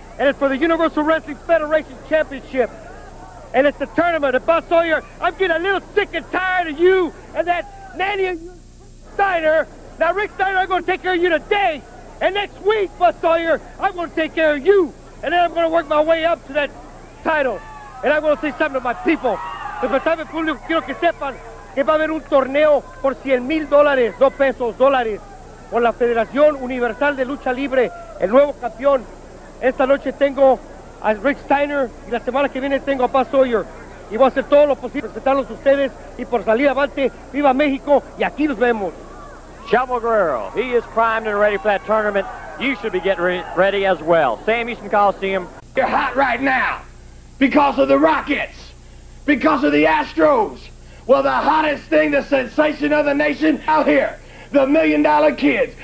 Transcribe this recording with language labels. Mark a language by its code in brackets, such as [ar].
[en] And it's for the Universal Wrestling Federation Championship. And it's the tournament of Buzz Sawyer. I'm getting a little sick and tired of you and that nanny of yours, Steiner. Now, Rick Steiner, I'm going to take care of you today. And next week, Buzz Sawyer, I'm going to take care of you. And then I'm going to work my way up to that title. And I'm going to say something to my people. [es] Porque sabe, público, quiero que sepan que va a haber un torneo por 100 mil dólares, no pesos, dólares, por la Federación Universal de Lucha Libre, el nuevo campeón. Esta noche tengo a Rick Steiner y la semana que viene tengo a Buzz Sawyer. Y voy a hacer todo lo posible para presentarlos a ustedes y por salir adelante. Viva México y aquí nos vemos. [en] Chavo Guerrero, he is primed and ready for that tournament. You should be getting ready as well. Sam Houston Coliseum. You're hot right now because of the Rockets, because of the Astros. Well, the hottest thing, the sensation of the nation out here, the Million Dollar Kids.